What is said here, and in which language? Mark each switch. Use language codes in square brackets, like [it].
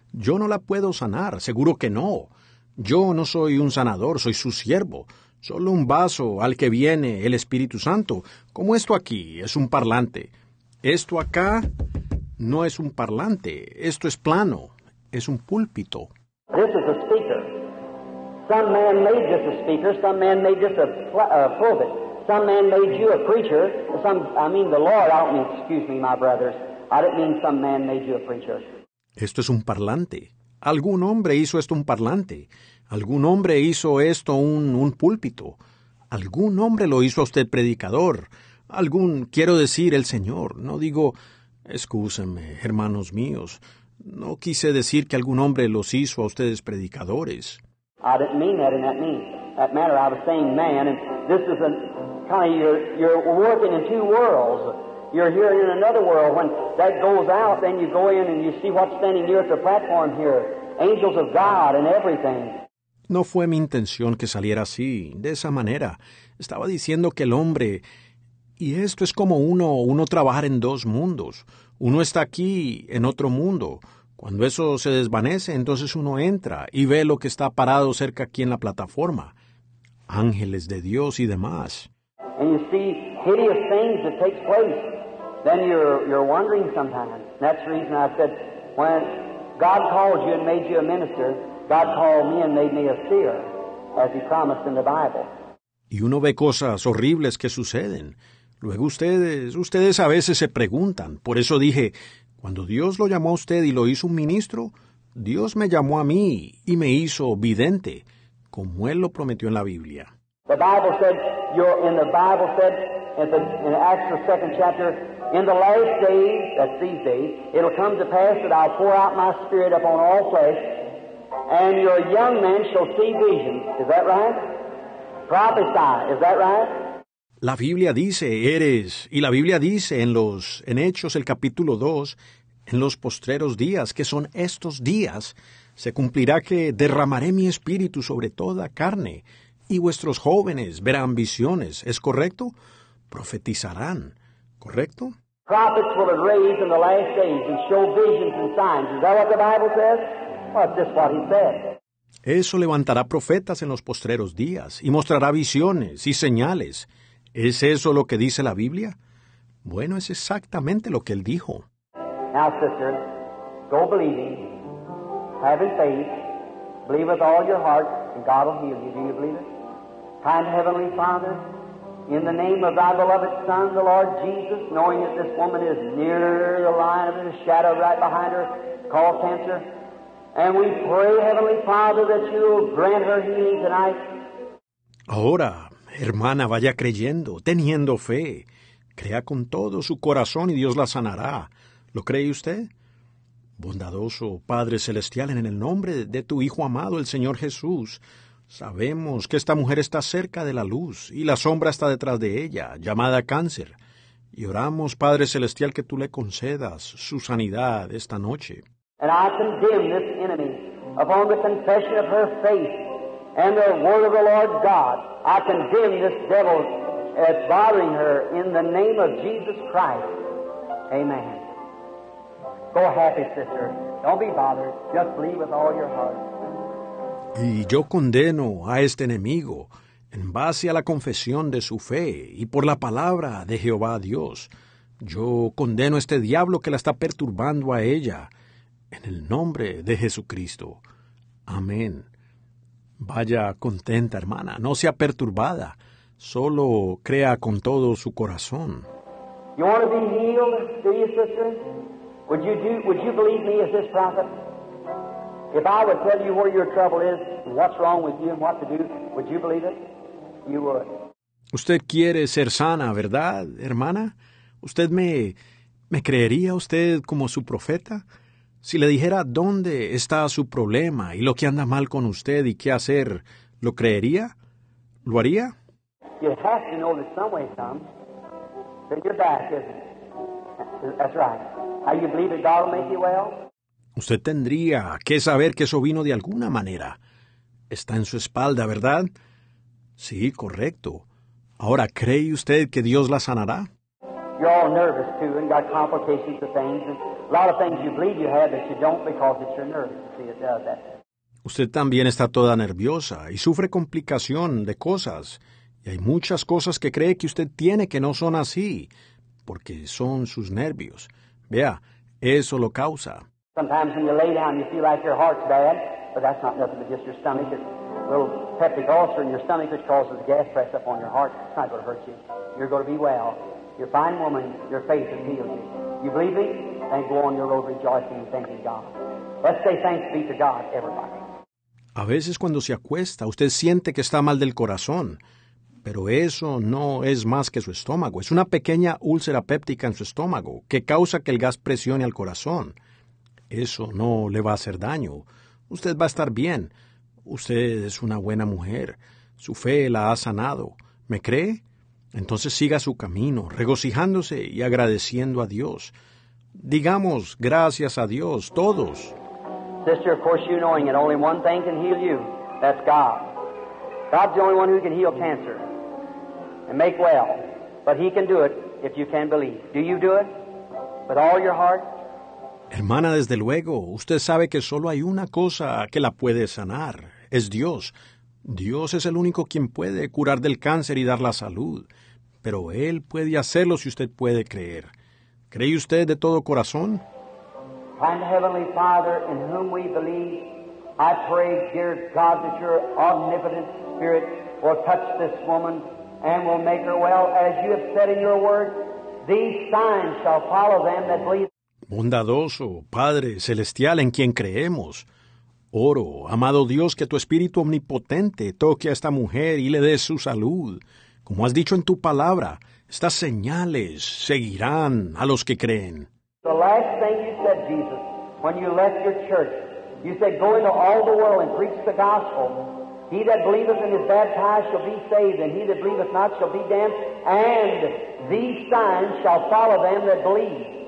[es] Yo no la puedo sanar. Seguro que no. Yo no soy un sanador. Soy su siervo. Solo un vaso al que viene el Espíritu Santo. Como esto aquí es un parlante. Esto acá no es un parlante. Esto es plano. Es un púlpito. [en] This is a speaker. Some man made this a speaker. Some man made this a pulpit. Some man made you a preacher. The Lord, I don't mean, excuse me, my brothers. I didn't mean some man made you a preacher. [es] Esto es un parlante. Algún hombre hizo esto un parlante. Algún hombre hizo esto un púlpito. Algún hombre lo hizo a usted predicador. Algún, quiero decir, el Señor. No digo, excúsenme, hermanos míos. No quise decir que algún hombre los hizo a ustedes predicadores. [en] I didn't mean that in that manner. I was saying man, and this is a kind of you're working in two worlds. You're here in another world. When that goes out, then you go in and you see what's standing near the platform here. Angels of God and everything. [es] No fue mi intención que saliera así, de esa manera. Estaba diciendo que el hombre... Y esto es como uno trabajar en dos mundos. Uno está aquí, en otro mundo. Cuando eso se desvanece, entonces uno entra y ve lo que está parado cerca aquí en la plataforma. Ángeles de Dios y demás. [en] And you see hideous things that take place. Then you're wondering sometimes. That's the reason I said, when God called you and made you a minister, God called me and made me a seer. as he promised in the Bible. [es] Y uno ve cosas horribles que suceden. Luego ustedes a veces se preguntan. Por eso dije, cuando Dios lo llamó a usted y lo hizo un ministro, Dios me llamó a mí y me hizo vidente, como Él lo prometió en la Biblia. [en] The Bible said, in Acts, the second chapter, in the last days, that's these days, it'll come to pass that I'll pour out my spirit upon all flesh, and your young men shall see visions. Is that right? Prophesy. Is that right? [es] La Biblia dice, eres, y la Biblia dice en Hechos, el capítulo 2, en los postreros días, que son estos días, se cumplirá que derramaré mi espíritu sobre toda carne, y vuestros jóvenes verán visiones. ¿Es correcto? Profetizarán, ¿correcto? [en] Prophets will arise in the last days and show visions and signs. Is that what the Bible says? Well, it's just what he said. [es] Eso levantará profetas en los postreros días, y mostrará visiones y señales. ¿Es eso lo que dice la Biblia? Bueno, es exactamente lo que él dijo. [en] Now, sisters, go believing, having faith, believe with all your heart, and God will heal you. Do you believe it? Kind Heavenly Father, in the name of thy beloved Son, the Lord Jesus, knowing that this woman is near the line of the shadow right behind her, called cancer, and we pray, Heavenly Father, that you will grant her healing tonight. [es] Ahora, hermana, vaya creyendo, teniendo fe. Crea con todo su corazón y Dios la sanará. ¿Lo cree usted? Bondadoso Padre Celestial, en el nombre de tu Hijo amado, el Señor Jesús, sabemos que esta mujer está cerca de la luz y la sombra está detrás de ella, llamada cáncer. Y oramos, Padre Celestial, que tú le concedas su sanidad esta noche. [en] And I condemn this enemy upon the confession of her faith and the word of the Lord God. I condemn this devil as bothering her in the name of Jesus Christ. Amen. Go happy, sister. Don't be bothered. Just believe with all your heart. [es] Y yo condeno a este enemigo en base a la confesión de su fe y por la palabra de Jehová Dios. Yo condeno a este diablo que la está perturbando a ella en el nombre de Jesucristo. Amén. Vaya contenta, hermana. No sea perturbada. Solo crea con todo su corazón. [en] You want to be healed, do you, sister? Would you believe me as this prophet? If I would tell you where your trouble is, and what's wrong with you, and what to do, would you believe it? You would. [es] Usted quiere ser sana, ¿verdad, hermana? ¿Usted me creería usted como su profeta? Si le dijera dónde está su problema y lo que anda mal con usted y qué hacer, ¿lo creería? ¿Lo haría? [en] You have to know that some way comes. Then you're back, isn't it? That's right. How you believe that God will make you well? [es] Usted tendría que saber que eso vino de alguna manera. Está en su espalda, ¿verdad? Sí, correcto. Ahora, ¿cree usted que Dios la sanará? [en] You're all nervous, too, and got complications of things. And a lot of things you believe you have that you don't because it's your nerves. See, it does that. [es] Usted también está toda nerviosa y sufre complicación de cosas. Y hay muchas cosas que cree que usted tiene que no son así, porque son sus nervios. Vea, eso lo causa. [en] Sometimes when you lay down, you feel like your heart's bad, but that's not nothing but just your stomach. It's a little peptic ulcer in your stomach which causes gas press up on your heart. It's not going to hurt you. You're going to be well. You're a fine woman. Your faith has healed you. You believe me? Then go on your road rejoicing and thanking God. Let's say thanks be to God, everybody. [es] A veces cuando se acuesta, usted siente que está mal del corazón, pero eso no es más que su estómago. Es una pequeña úlcera péptica en su estómago que causa que el gas presione al corazón. Eso no le va a hacer daño. Usted va a estar bien. Usted es una buena mujer. Su fe la ha sanado. ¿Me cree? Entonces siga su camino, regocijándose y agradeciendo a Dios. Digamos gracias a Dios, todos. [en] Sister, of course you knowing it, only one thing can heal you. That's God. God's the only one who can heal cancer and make well. But he can do it if you can believe. Do you do it with all your heart? [es] Hermana, desde luego, usted sabe que solo hay una cosa que la puede sanar. Es Dios. Dios es el único quien puede curar del cáncer y dar la salud. Pero Él puede hacerlo si usted puede creer. ¿Cree usted de todo corazón? [en] Kind Heavenly Father, in whom we believe, I pray, dear God, that your omnipotent Spirit will touch this woman and will make her well. As you have said in your word, these signs shall follow them that believe. [es] Bondadoso Padre Celestial en quien creemos, oro, amado Dios, que tu Espíritu omnipotente toque a esta mujer y le dé su salud. Como has dicho en tu palabra, estas señales seguirán a los que creen. [en] The last thing you said, Jesus, when you left your church, you said, go into all the world and preach the gospel. He that believeth and is baptized shall be saved, and he that believeth not shall be damned, and these signs shall follow them that believe.